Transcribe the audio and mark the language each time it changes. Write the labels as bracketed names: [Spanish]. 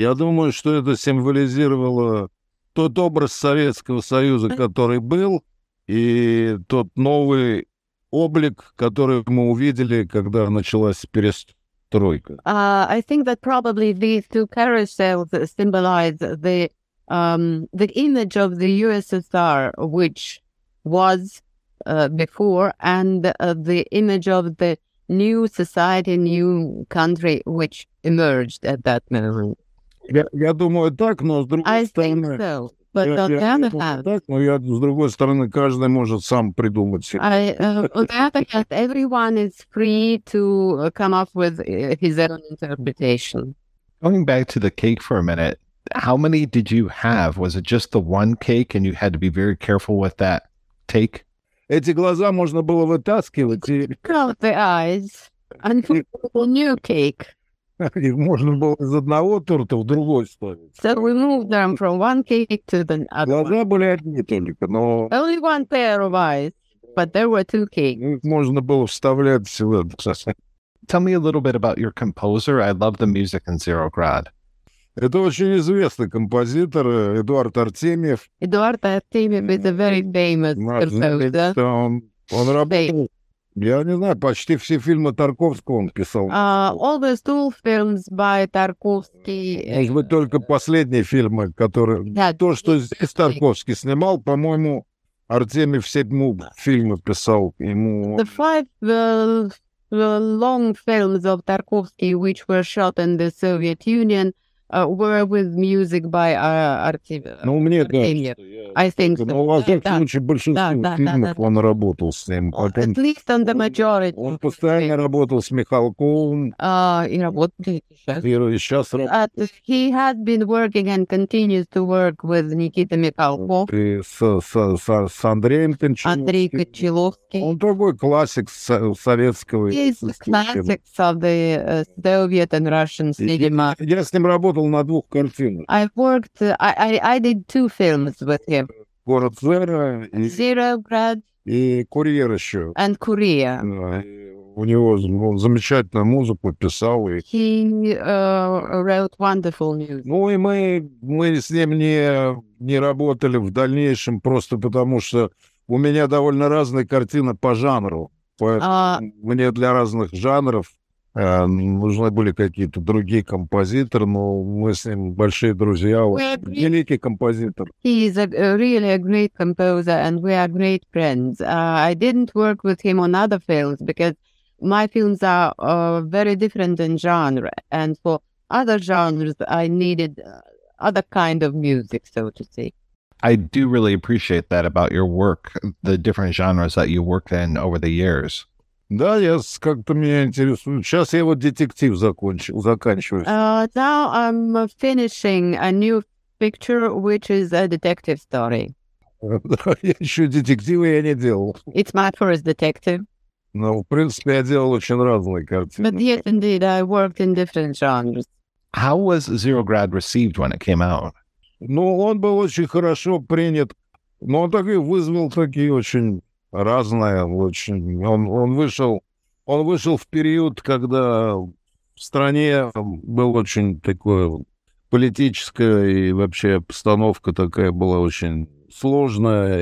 [Russian] Я думаю, что это символизировало тот образ Советского Союза, который был, и тот новый облик, который мы увидели, когда началась перестройка. [English] I think that probably these two carousels symbolize the image of the USSR, which was before, and the image of the new society, new country, which emerged at that moment. [Russian] Я думаю так, но с другой стороны... [English] I think so. But on the other hand, [Russian] с другой стороны, каждый может сам придумать себе. [English] On the other hand, everyone is free to come up with his own interpretation. Going back to the cake for a minute, how many did you have? Was it just the one cake, and you had to be very careful with that take? [Russian] Эти глаза можно было вытаскивать. [English] Out the eyes and a new cake. [Russian] Их можно было из одного торта в другой ставить. [English] So we moved them from one cake to the other. [Russian] Глаза были одни только, но... [English] Only one pair of eyes, but there were two cakes. [Russian] Их можно было вставлять в себя. [English] Tell me a little bit about your composer. I love the music in Zerograd. [Russian] Это очень известный композитор, Эдуард Артемьев. [English] Эдуард Артемьев is a very famous composer. [Russian] Он работал... Я не знаю, почти все фильмы Тарковского он писал. [English] Almost all films by Tarkovsky. [Russian] Может быть, только последние фильмы, которые... Yeah, то, что здесь Тарковский снимал, по-моему, Артемьев VII фильмы писал ему. [English] The five long films of Tarkovsky, which were shot in the Soviet Union, were with music by Artemyev. [Russian] Ну, мне кажется, [English] I think [Russian] so. Но, во всяком случае, большинство фильмов он работал с ним. [English] At least on the majority. [Russian] Он постоянно работал с Михалковым. И работал сейчас. [English] He has been working and continues to work with Никита Михалков. [Russian] И с Андреем Кончаловским. Андрей Кончаловский. Он такой классик советского. [English] He is classic of the Soviet and Russian cinema. [Russian] Я с ним работал. Работал на двух картинах. [English] I've worked. I did two films with him. [Russian] Город Зера. [English] Zerograd. [Russian] И Курьер еще. [English] And Курьер. [Russian] Да. У него он замечательную музыку писал и. [English] He wrote wonderful music. [Russian] Ну и мы с ним не работали в дальнейшем просто потому что у меня довольно разные картины по жанру. Мне для разных жанров Нужны были какие-то другие композиторы, но мы с ним большие друзья. Великий композитор. [English] He is really a great composer and we are great friends. I didn't work with him on other films because my films are very different in genre. And for other genres, I needed other kind of music, so to say. I do really appreciate that about your work, the different genres that you worked in over the years. [Russian] Да, я как-то меня интересует. Сейчас я вот детектив заканчиваю. [English] Now I'm finishing a new picture, which is a detective story. [Russian] Я еще детектива я не делал. [English] It's my first detective. [Russian] Ну, в принципе, я делал очень разные картины. [English] But yes, indeed, I worked in different genres. How was Zerograd received when it came out? [Russian] Ну, он был очень хорошо принят. Но он так и вызвал такие очень... Разное очень. Он вышел в период, когда в стране был очень такой политическая и вообще обстановка такая была очень сложная.